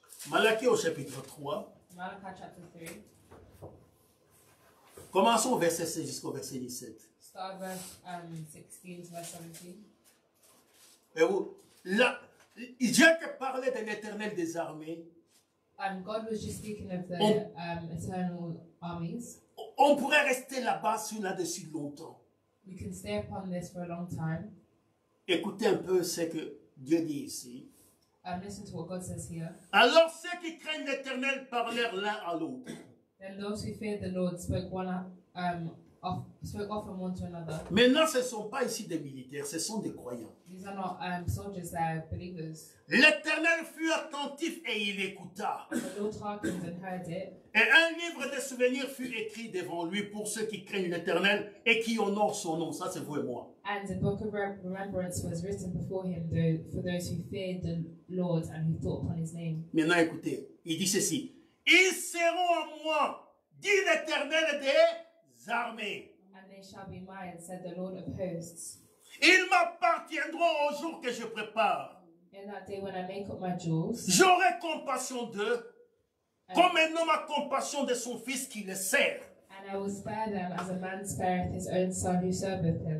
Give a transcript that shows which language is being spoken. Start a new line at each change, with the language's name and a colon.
French: Malachie au chapitre 3.
English: Malachi chapter 3.
French: Commençons au verset 16 jusqu'au verset 17.
English: Start verse 16 to verse 17.
French: Et vous, là, Dieu qui parlait de l'éternel des armées.
English: And God was just speaking of the eternal armies.
French: On pourrait rester là-bas sur là-dessus longtemps.
English: We can stay upon this for a long time.
French: Écoutez un peu ce que Dieu dit ici.
English: And listen to what God says here.
French: Alors ceux qui craignent l'Éternel parlèrent l'un à l'autre.
English: Then those who feared the Lord spoke often one to another.
French: Maintenant, ce ne sont pas ici des militaires, ce sont des croyants.
English: These are not soldiers, they are believers.
French: L'Éternel fut attentif et il écouta.
English: The Lord hearkened and heard it.
French: Et un livre de souvenirs fut écrit devant lui pour ceux qui craignent l'Éternel et qui honorent son nom. Ça, c'est vous et moi.
English: And a book of remembrance was written before him for those who feared the Lord and who thought upon his name.
French: Maintenant, écoutez, il dit ceci. Ils seront à moi, dit l'Éternel des armées.
English: And they shall be mine, said the Lord of hosts.
French: Ils m'appartiendront au jour que je prépare.
English: In that day when I make up my jewels.
French: J'aurai compassion d'eux, comme un homme a compassion de son fils qui le sert.
English: And I will spare them as a man spareth his own son who serveth him.